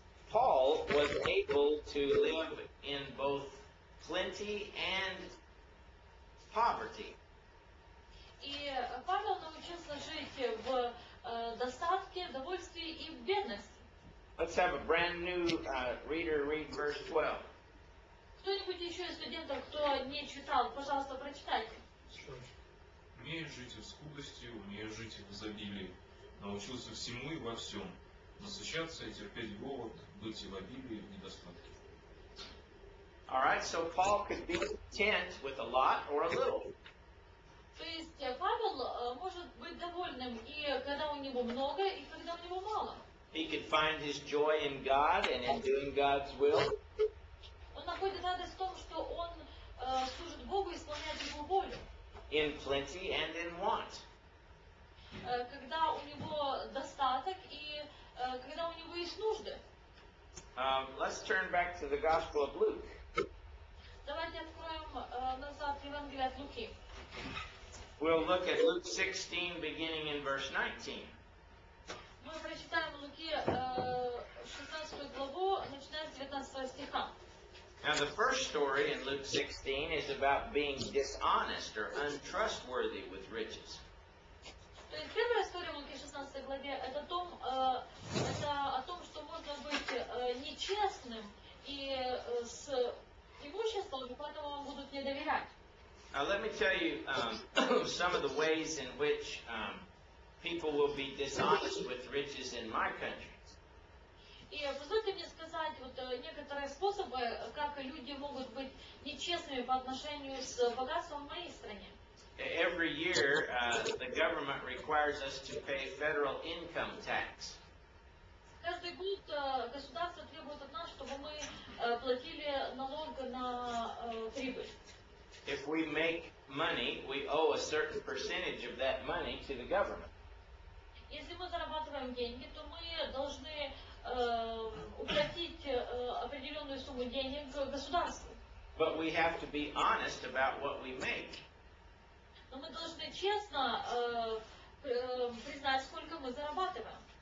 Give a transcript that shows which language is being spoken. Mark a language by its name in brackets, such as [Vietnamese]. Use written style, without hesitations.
[English] Paul was able to live in both plenty and poverty. [Russian] И Павел научился жить в достатке, довольстве и в бедности. [English] Let's have a brand new reader read verse 12. [Russian] Кто-нибудь еще из студентов, кто не читал, пожалуйста, прочитайте. Умею жить в скудости, умею жить в изобилии. Научился всему и во всем. Насыщаться и терпеть голод, быть и в обилии, в недостатке. [English] Alright, so Paul could be content with a lot or a little. [Russian] То есть Павел может быть довольным и когда у него много, и когда у него мало. [English] He could find his joy in God and in doing God's will. [Russian] Он находит радость в том, что он служит Богу и исполняет Его волю. [English] In plenty and in want. [Russian] Когда у него достаток и когда у него есть нужды. [English] Let's turn back to the Gospel of Luke. [Russian] Давайте откроем назад Евангелие от Луки. [English] We'll look at Luke 16, beginning in verse 19. [Russian] Мы прочитаем Луки 16 главу, начиная с 19 стиха. [English] Now the first story in Luke 16 is about being dishonest or untrustworthy with riches. [Russian] То есть первая история в Луке 16 главе это том, это о том, что можно быть нечестным и с имуществом, и поэтому вам будут не доверять. [English] Let me tell you some of the ways in which people will be dishonest with riches in my country. [Russian] И позвольте мне сказать вот некоторые способы, как люди могут быть нечестными по отношению с богатством в моей стране. [English] Every year, the government requires us to pay federal income tax. [Russian] Каждый год государство требует от нас, чтобы мы платили налог на прибыль. [English] If we make money, we owe a certain percentage of that money to the government. [Russian] Если мы зарабатываем деньги, то мы должны уплатить определенную сумму денег государству. [English] But we have to be honest about what we make. [Russian] Но мы должны честно признать, сколько мы зарабатываем.